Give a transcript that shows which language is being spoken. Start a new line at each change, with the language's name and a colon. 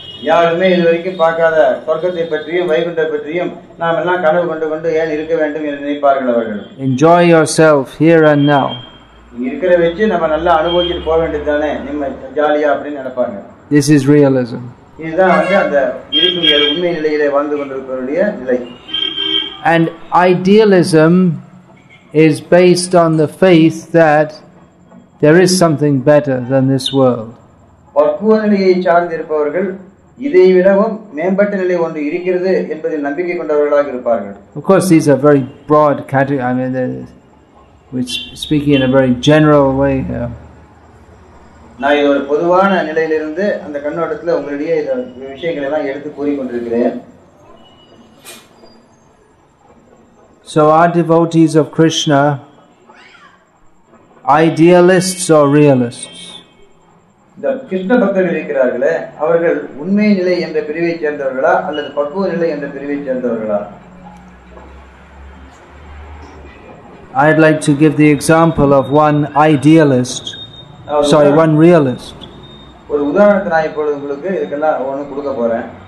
Tamil: யாருமே இதுவரைக்கும் பார்க்காத சொர்க்கத்தை பற்றியும் வைகுண்டத்தை பற்றியும் நாம் எல்லாம் கனவு கொண்டு கொண்டு ஏன் இருக்க வேண்டும் என்று நினைப்பார்கள் அவர்கள்.
English: Enjoy yourself here and now.
Tamil: இருக்கிற வச்சு நம்ம நல்லா அனுபவிச்சுட்டு போக வேண்டியது தானே, நிம்மதி ஜாலியா அப்படின்னு நினைப்பாங்க.
English: This is realism.
Tamil: இதுதான் வந்து அந்த இருக்கும் உண்மை நிலையிலே வாழ்ந்து கொண்டிருப்பவருடைய நிலை.
English: And idealism is based on the faith that there is something better than this world.
Tamil: பக்குவ நிலையை சார்ந்திருப்பவர்கள் இதை விடவும் மேம்பட்ட நிலை ஒன்று இருக்கிறது என்பதில் நம்பிக்கை கொண்டவர்களாக இருப்பார்கள்.
English: Of course, these are very broad category. I mean, which speaking in a very general way.
Tamil: நான் ஒரு பொதுவான நிலையிலிருந்து அந்த கண்ணோட்டத்தில் உங்களுடைய விஷயங்களை எல்லாம் எடுத்து கூறி கொண்டிருக்கிறேன்.
English: So are devotees of Krishna idealists or realists?
Tamil: Krishna பக்தர்கள் இருக்கிறார்களே, அவர்கள் உண்மை நிலை என்ற பிரிவை சேர்ந்தவர்களா அல்லது பக்குவ நிலை என்ற பிரிவை சேர்ந்தவர்களா?
English: I'd like to give the example of one idealist. Sorry, one realist.
Tamil: ஒரு உதாரணத்தை நான் இப்போ உங்களுக்கு இதெல்லாம் ஒன்று கொடுக்க போறேன்.